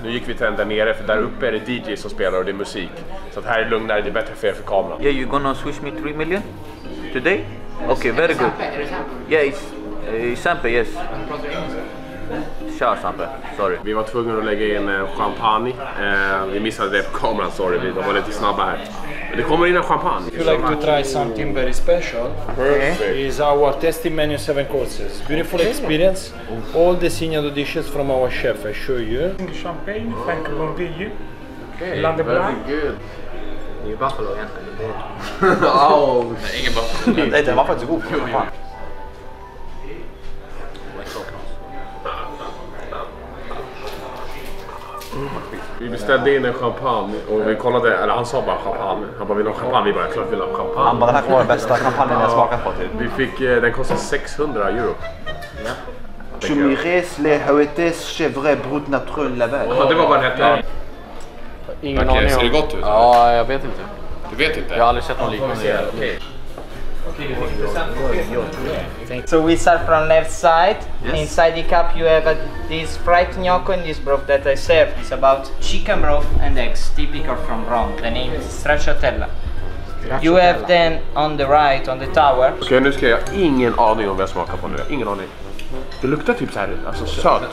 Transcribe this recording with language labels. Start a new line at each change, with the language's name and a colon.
Swedish: Nu gick vi till en där nere för där uppe är det DJ som spelar och det är musik. Så att här är lugnare, det är bättre för er för kameran.
English: Yeah, you gonna switch me 3 million? Today? Okay, very good. Yeah, it's Sampe, yes. Tja, Sampe. Sorry.
Swedish: Vi var tvungna att lägga in champagne. Vi missade det på kameran, sorry. De var lite snabba här. Men det kommer in en champagne.
English: If you like to try something very special, perfect. Is our tasting menu 7 courses. Beautiful experience. All the signature dishes from our chef, I show you. Champagne, thank you, Bordeaux. Okay, very good.
Swedish: Det är buffalo egentligen.
English: Wow.
Swedish: Nej, ingen buffalo. Nej, den var faktiskt god. Champagne. Vi beställde in en champagne och vi kollade, eller han sa bara champagne. Han bara, vill ha champagne? Vi bara, klart vill ha champagne. Han bara, den här kommer vara bästa champagnen jag smakat på typ. Vi fick, den kostade 600 euro. Tu mires les hautes chevres brut naturel laver. Jaha, det var vad den hette. Ingen aning. Okej, ser det gott ut? Ja, jag vet inte. Du vet inte? Jag har aldrig sett någon liknande.
English: So we start from left side. Yes. Inside the cup you have this fried gnocco and this broth that I serve. It's about chicken broth and eggs, typical from Rome. The name is stracciatella. You have then on the right, on the tower.
Swedish: Okej, nu ska jag ingen aning om vad jag smakar på nu. Ingen aning. Det luktar typ så här, alltså sött.